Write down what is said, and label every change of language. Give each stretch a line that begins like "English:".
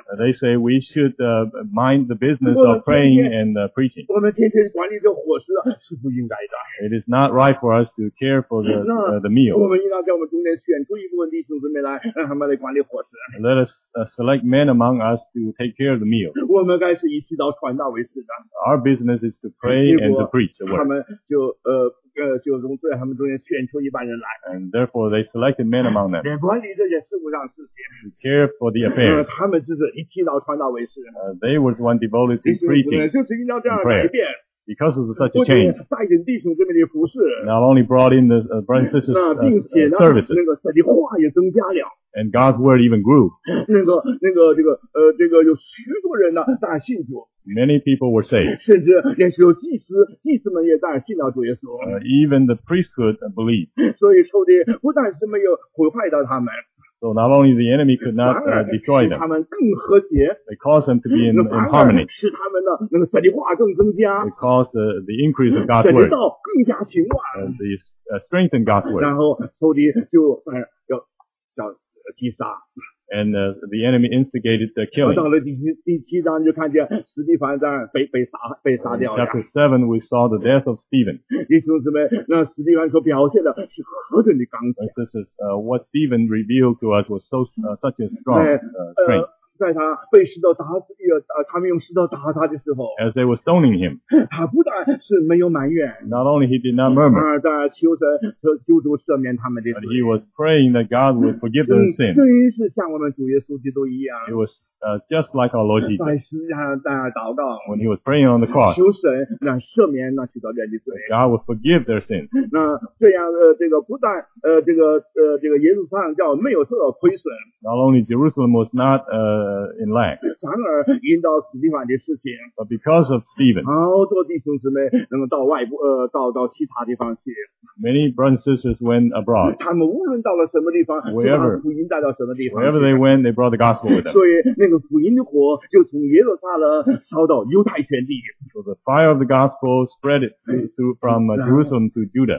English: They say we should mind the business of praying and preaching.
Chinese: 我们天天管理这伙食是不应该的。
English: It is not right for us to care for the meal.
Chinese: 我们应当在我们中间选出一部分弟兄姊妹来，让他们来管理伙食。
English: Let us select men among us to take care of the meal.
Chinese: 我们该是以祈祷传道为事的。
English: Our business is to pray and to preach.
Chinese: 他们就就从在他们中间选出一班人来。
English: And therefore they selected men among them.
Chinese: 管理这件事务上事情。
English: To care for the affairs.
Chinese: 他们就是以祈祷传道为事。
English: They were the one devoted to preaching.
Chinese: 就是应当这样改变。
English: Because of such a change,
Chinese: 带领弟兄姊妹的服事。
English: Not only brought in the brothers and sisters' services.
Chinese: 并且呢，
English: services,
Chinese: 那个神的话也增加了。
English: And God's word even grew.
Chinese: 那个有许多人呢，大信主。
English: Many people were saved.
Chinese: 甚至连许多祭司们也大信到主耶稣。
English: Even the priesthood believed.
Chinese: 所以仇敌不但是没有毁坏到他们。
English: So not only the enemy could not destroy them,
Chinese: 他们更和谐,
English: they caused them to be in harmony.
Chinese: 使他们的那个神的话更增加,
English: it caused the increase of God's word.
Chinese: 神的道更加兴旺,
English: and they strengthened God's word.
Chinese: 然后仇敌就要击杀。
English: And the enemy instigated the killing.
Chinese: 到了第七章就看见史蒂凡在被杀掉了。
English: Chapter 7, we saw the death of Stephen.
Chinese: 弟兄姊妹，那史蒂凡所表现的是何等的刚强。
English: This is what Stephen revealed to us was such a strong strength.
Chinese: 在他被石头打死，他们用石头打他的时候，
English: as they were stoning him,
Chinese: 他不但是没有埋怨，
English: not only he did not murmur,
Chinese: 在求主赦免他们的罪，
English: but he was praying that God would forgive their sin.
Chinese: 真是像我们主耶稣基督一样，
English: it was just like our Lord Jesus.
Chinese: 在十字架上祷告，
English: when he was praying on the cross,
Chinese: 求神让赦免那许多人的罪，
English: God would forgive their sin.
Chinese: 那这样这个不但这个耶路撒冷教没有受到亏损，
English: not only Jerusalem was not in lack,
Chinese: 反而引导史蒂凡的事情，
English: but because of Stephen,
Chinese: 好多弟兄姊妹能够到外部到其他地方去，
English: many brothers and sisters went abroad,
Chinese: 他们无论到了什么地方，
English: wherever,
Chinese: 就把福音带到什么地方，
English: wherever they went, they brought the gospel with them.
Chinese: 所以那个福音的火就从耶路撒冷烧到犹太全地，
English: so the fire of the gospel spread through from Jerusalem to Judah,